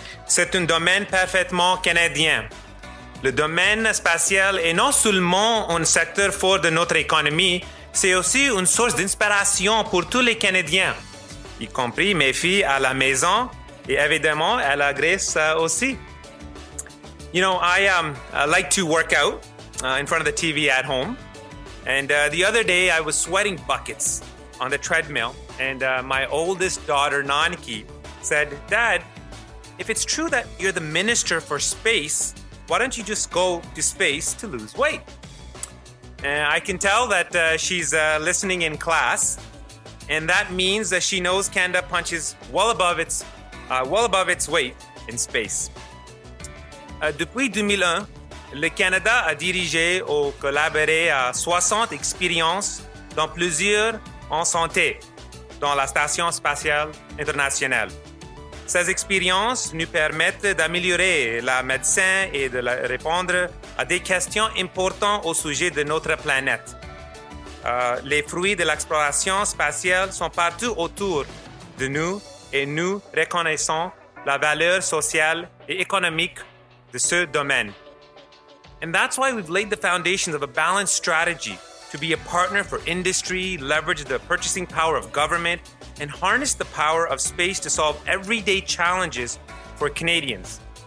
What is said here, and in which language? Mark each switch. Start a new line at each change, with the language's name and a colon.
French: C'est un domaine parfaitement canadien. Le domaine spatial est non seulement un secteur fort de notre économie, c'est aussi une source d'inspiration pour tous les Canadiens, y compris mes filles à la maison et évidemment à la Grèce aussi.
English: You know, I like to work out in front of the TV at home. And the other day, I was sweating buckets on the treadmill. And my oldest daughter, Nanki, said, "Dad, if it's true that you're the minister for space, why don't you just go to space to lose weight?" And I can tell that she's listening in class, and that means that she knows Canada punches well above its weight in space.
French: Depuis 2001, le Canada a dirigé ou collaboré à 60 expériences dans plusieurs en santé dans la Station spatiale internationale. Ces expériences nous permettent d'améliorer la médecine et de répondre à des questions importantes au sujet de notre planète. Les fruits de l'exploration spatiale sont partout autour de nous et nous reconnaissons la valeur sociale et économique de ce domaine.
English: And that's why we've laid the foundations of a balanced strategy to be a partner for industry, leverage the purchasing power of government, and harness the power of space to solve everyday challenges for Canadians.